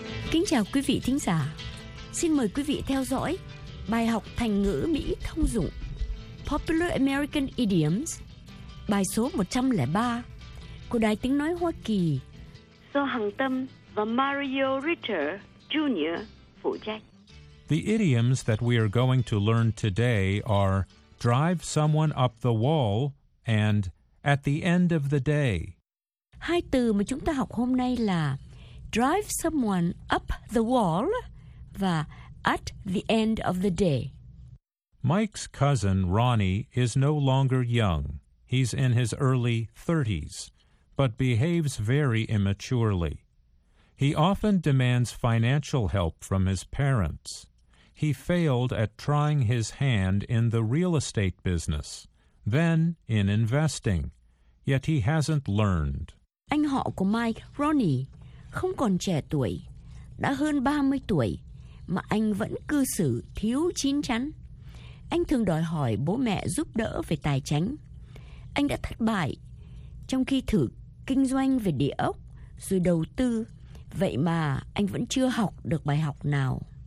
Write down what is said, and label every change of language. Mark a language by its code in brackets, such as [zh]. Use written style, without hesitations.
[vi] Kính chào quý vị thính giả. Xin mời quý vị theo dõi bài học thành ngữ Mỹ thông dụng Popular American Idioms, bài số 103 của Đài Tiếng Nói Hoa Kỳ do Hằng Tâm và Mario Ritter Jr. phụ trách. [en] The idioms that we are going to learn today are drive someone up the wall and at the end of the day. [vi] Hai từ mà chúng ta học hôm nay là [en] drive someone up the wall [vi] và [en] at the end of the day. Mike's cousin Ronnie is no longer young. He's in his early 30s, but behaves very immaturely. He often demands financial help from his parents. He failed at trying his hand in the real estate business, then in investing, yet he hasn't learned. [vi] Anh họ của Mike, Ronnie, không còn trẻ tuổi, đã hơn 30 tuổi mà anh vẫn cư xử thiếu chín chắn. Anh thường đòi hỏi bố mẹ giúp đỡ về tài chính. Anh đã thất bại trong khi thử kinh doanh về địa ốc rồi đầu tư, vậy mà anh vẫn chưa học được bài học nào.